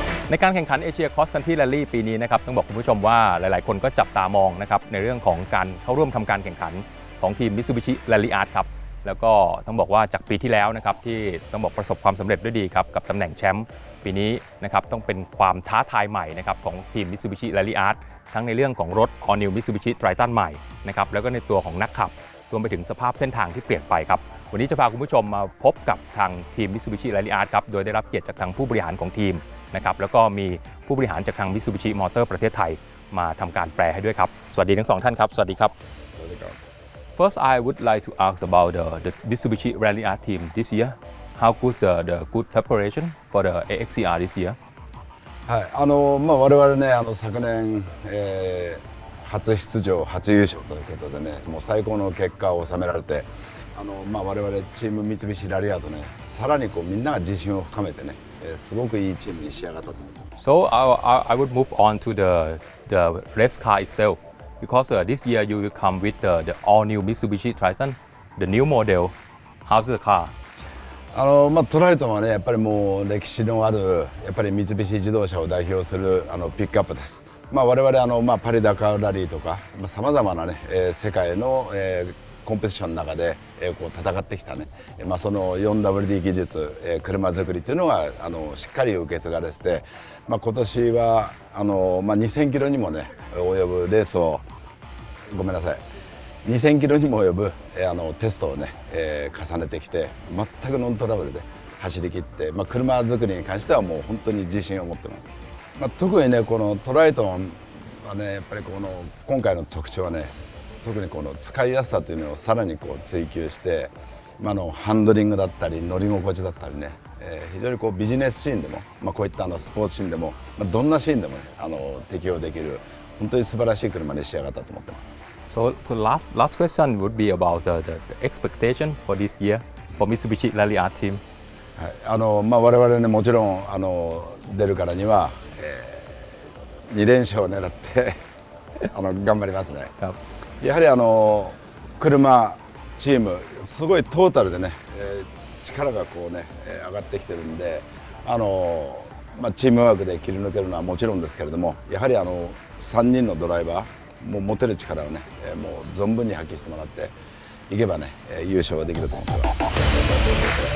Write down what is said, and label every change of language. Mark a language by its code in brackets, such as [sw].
[th] ในการแข่งขันเอเชียคอสคันทรีแรลลี่ปีนี้นะครับต้องบอกคุณผู้ชมว่าหลายๆคนก็จับตามองนะครับในเรื่องของการเข้าร่วมทำการแข่งขันของทีม Mitsubishi Rally Art ครับแล้วก็ต้องบอกว่าจากปีที่แล้วนะครับที่ต้องบอกประสบความสำเร็จด้วยดีครับกับตำแหน่งแชมป์ปีนี้นะครับต้องเป็นความท้าทายใหม่นะครับของทีม Mitsubishi Rally Art ทั้งในเรื่องของรถ All New Mitsubishi Triton ใหม่นะครับแล้วก็ในตัวของนักขับ รวมไปถึงสภาพเส้นทางที่เปลี่ยนไปครับวันนี้จะพาคุณผู้ชมมาพบกับทางทีม Mitsubishi Rally Art ครับโดยได้รับเกียรติจากทางผู้บริหารของทีมนะครับแล้วก็มีผู้บริหารจากทาง Mitsubishi Motor ประเทศไทยมาทำการแปลให้ด้วยครับสวัสดีทั้ง2ท่านครับสวัสดีครับ สวัสดีครับ [en] First I would like to ask about the Mitsubishi Rally Art team this yearHow good the good preparation for the AXCR this year? [ja] はい、まあ我々ね、昨年、初出場、初優勝ということでね、もう最高の結果を収められて、まあ我々チーム三菱ラリアとね、さらにこうみんなが自信を深めてね、すごくいいチームに仕上がったと思います。 [en] So I would move on to the race car itself, because this year you will come with the all new Mitsubishi Triton, the new model. How's the car? [ja] まあ、トライトンはね、やっぱりもう歴史のある、やっぱり三菱自動車を代表するピックアップです。まあ、我々まあ、パリダカールラリーとか、まあ、様々なね、世界の、コンペティションの中で、こう戦ってきたね、まあ、その 4WD 技術、車作りというのがしっかり受け継がれてて、まあ、今年はまあ、2000キロにもね、及ぶレースを、ごめんなさい。 2000キロにも及ぶテストをね、重ねてきて全くノントラブルで走り切って、まあ、車作りに関してはもう本当に自信を持ってます、まあ、特にねこのトライトンはねやっぱりこの今回の特徴はね特にこの使いやすさというのをさらにこう追求して、まあ、ハンドリングだったり乗り心地だったりね、非常にこうビジネスシーンでも、まあ、こういったスポーツシーンでも、まあ、どんなシーンでも、ね、適用できる本当に素晴らしい車に仕上がったと思ってます [en] So the last question would be about the expectation for this year for Mitsubishi Rally Art team. [ja] はい、まあ我々ねもちろん出るからには、2連勝を狙って頑張りますね。やはり車チームすごいトータルでね、力がこうね上がってきてるんで、まあチームワークで切り抜けるのはもちろんですけれども、やはり3人のドライバーもう持てる力をね、もう存分に発揮してもらっていけばね、優勝はできると思います。